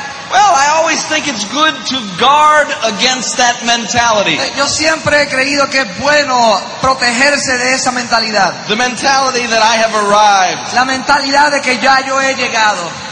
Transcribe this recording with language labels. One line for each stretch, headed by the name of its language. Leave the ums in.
English: Well, I always think it's good to guard against that mentality.
Spanish: Yo siempre he creído que es bueno protegerse de esa mentalidad.
English: The mentality that I have arrived.
Spanish: La mentalidad de que ya yo he llegado.